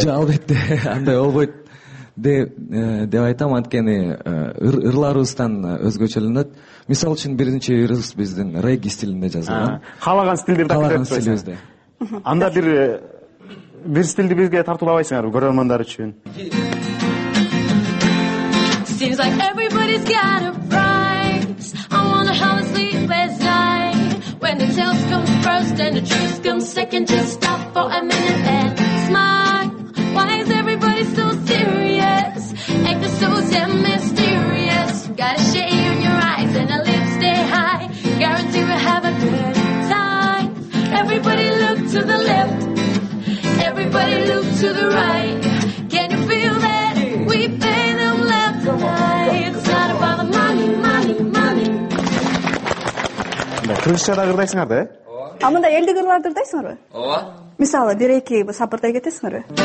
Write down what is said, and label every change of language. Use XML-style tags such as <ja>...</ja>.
<ky>Жок, албетте андай болбойт деп айтам. Анткени ырларыбыздан өзгөчөлөнөт. Мисалы үчүн биринчи ырыбыз биздин регги стилинде жазылган, каалаган стилдерди алып кетет стилибизде. Анда бир стилди бизге тартуулабайсыңарбы көрөрмандар үчүн?</ky> <en>Seems like everybody's got a fright. I wanna how to sleep at night. When the tales come first and the truth comes second, just stop for a minute and smile. Why is everybody so serious? Act so damn mysterious. Got a shade in your eyes and the lips stay high. Guarantee we'll have a good time. Everybody look to the left. Everybody look to the right. Can you feel that? We pay them left to right. It's not about the money, money, money.</en> <ky>Кыргызча да ырдайсыңар да, э? Ооба. А мындай элдик ырларды ырдайсыңарбы? Ооба. Мисалы, бир эки сапырдай кетесиңерби?</ky>